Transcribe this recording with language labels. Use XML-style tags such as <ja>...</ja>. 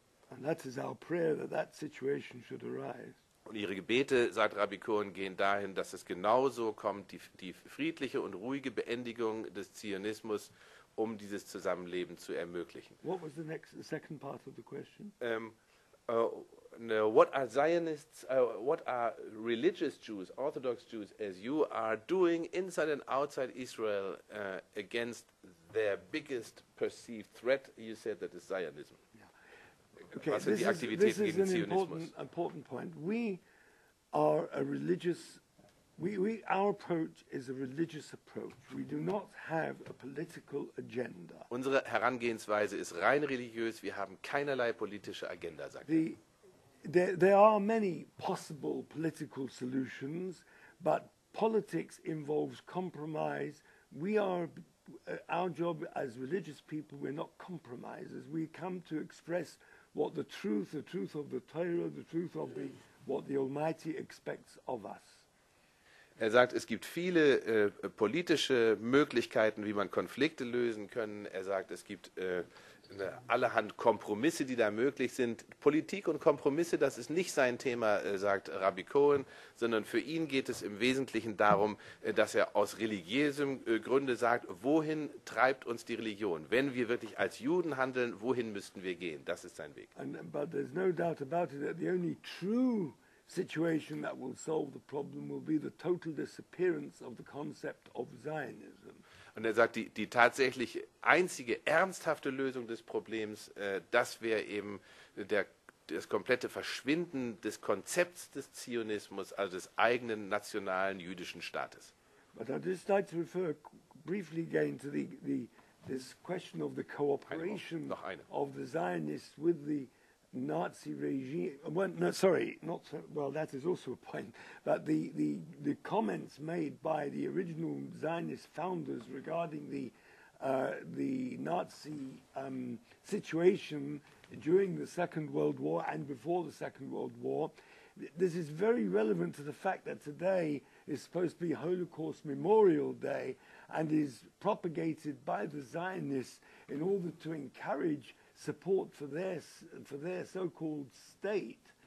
<en>And that is our prayer, that that situation should arise.</en> <de>Und ihre Gebete, sagt Rabbi Cohen, gehen dahin, dass es genauso kommt, die friedliche und ruhige Beendigung des Zionismus, um dieses Zusammenleben zu ermöglichen.</de> <en>What was the second part of the question? What are Zionists, what are religious Jews, Orthodox Jews, as you are, doing inside and outside Israel against their biggest perceived threat? You said that is Zionism. Yeah. Okay, this is an important point. We are a religious We our approach is a religious approach. We do not have a political agenda.</en> <de>Unsere Herangehensweise ist rein religiös. Wir haben keinerlei politische Agenda, sagt er.</de> <en>There are many possible political solutions, but politics involves compromise. We are our job as religious people. We're not compromisers. We come to express what the truth of the Torah, the truth of the what the Almighty expects of us.</en> <de>Er sagt, es gibt viele politische Möglichkeiten, wie man Konflikte lösen kann. Er sagt, es gibt allerhand Kompromisse, die da möglich sind. Politik und Kompromisse, das ist nicht sein Thema, sagt Rabbi Cohen, sondern für ihn geht es im Wesentlichen darum, dass er aus religiösem Grunde sagt, wohin treibt uns die Religion? Wenn wir wirklich als Juden handeln, wohin müssten wir gehen? Das ist sein Weg.</de> <en>But there's no doubt about it that the only true situation that will solve the problem will be the total disappearance of the concept of Zionism.</en> <de>Und er sagt, die tatsächlich einzige ernsthafte Lösung des Problems, das wäre eben das komplette Verschwinden des Konzepts des Zionismus, also des eigenen nationalen jüdischen Staates.</de> <en>But I'd just like to refer briefly again to this question of the cooperation of the Zionists with the Nazi regime. Well, that is also a point. But the comments made by the original Zionist founders regarding the Nazi situation during the Second World War and before the Second World War, this is very relevant to the fact that today is supposed to be Holocaust Memorial Day and is propagated by the Zionists in order to encourage support for their so-called state.</en>